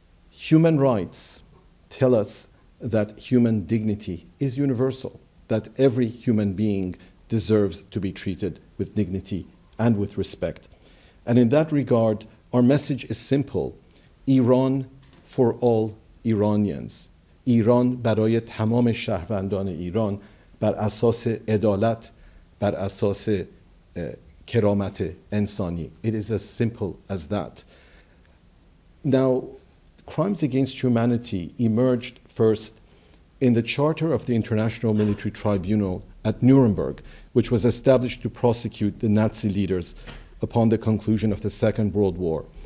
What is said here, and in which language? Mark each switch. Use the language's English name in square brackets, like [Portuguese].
[English] Human rights tell us that human dignity is universal, that every human being deserves to be treated with dignity and with respect. And in that regard, our message is simple: Iran for all Iranians. [Persian] ایران برای تمام شهروندان ایران بر اساس عدالت بر اساس کرامت انسانی. [English] It is as simple as that. Now, crimes against humanity emerged first in the Charter of the International Military Tribunal at Nuremberg, which was established to prosecute the Nazi leaders upon the conclusion of the Second World War.